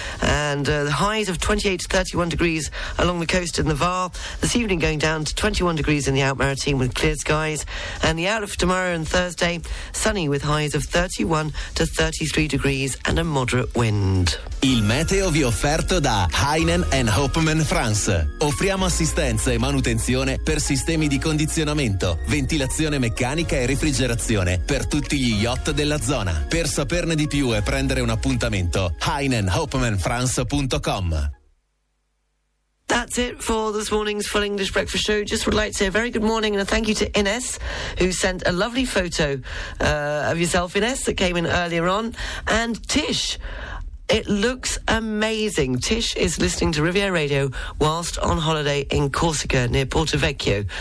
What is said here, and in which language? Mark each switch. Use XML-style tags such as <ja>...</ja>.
<en>And the highs of 28 to 31 degrees along the coast in the VAR. This evening going down to 21 degrees in the Outmara team with clear skies. And the outlook for tomorrow and Thursday, sunny with highs of 31 to 33 degrees and a moderate wind.</en> <it>Il meteo vi offerto da Heinen and Hopman France. Offriamo assistenza e manutenzione per sistemi di condizionamento, ventilazione meccanica e refrigerazione per tutti gli yacht della zona. Per saperne di più e prendere un appuntamento, heinenhopmanfrance.com.</it> <en>That's it for this morning's Full English Breakfast Show. Just would like to say a very good morning and a thank you to Ines, who sent a lovely photo of yourself, Ines, that came in earlier on. And Tish, it looks amazing. Tish is listening to Riviera Radio whilst on holiday in Corsica near Porto Vecchio.</en>